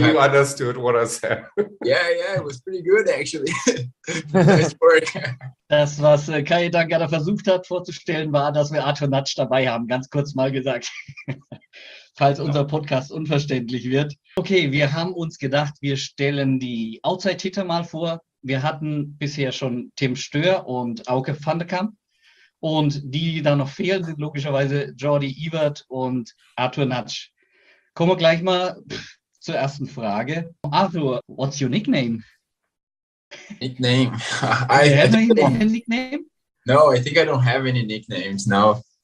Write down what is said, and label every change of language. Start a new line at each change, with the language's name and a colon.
English: Hopefully you understood what I said. Yeah, it was pretty good actually. Nice work.
German: Das, was Kai Dankara versucht hat vorzustellen, war, dass wir Arthur Natsch dabei haben, ganz kurz mal gesagt. Falls unser Podcast unverständlich wird. Okay, wir haben uns gedacht, wir stellen die Outside-Hitter mal vor. Wir hatten bisher schon Tim Stöhr und Auke van de Kamp. Und die, die da noch fehlen, sind logischerweise Jordi Ewert und Arthur Natsch. Kommen wir gleich mal zur ersten Frage.
English: Arthur, what's your nickname? Nickname? Do you have any nickname? No, I think I don't have any nicknames now.